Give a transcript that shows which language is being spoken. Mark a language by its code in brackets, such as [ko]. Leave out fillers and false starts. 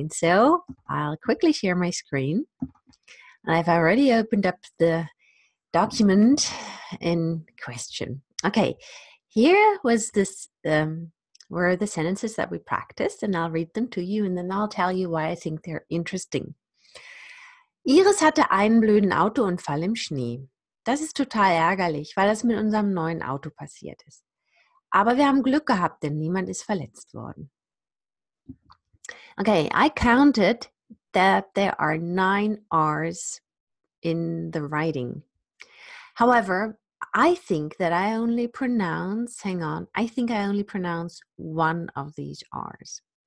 [en] And so I'll quickly share my screen. I've already opened up the document in question. Okay, here was this were the sentences that we practiced, and I'll read them to you, and then I'll tell you why I think they're interesting. [de] Iris hatte einen blöden Autounfall im Schnee. Das ist total ärgerlich, weil das mit unserem neuen Auto passiert ist. Aber wir haben Glück gehabt, denn niemand ist verletzt worden. [en] Okay, I counted that there are 9 R's in the writing. However, I think that I only pronounce, hang on, I think I only pronounce 1 of these R's.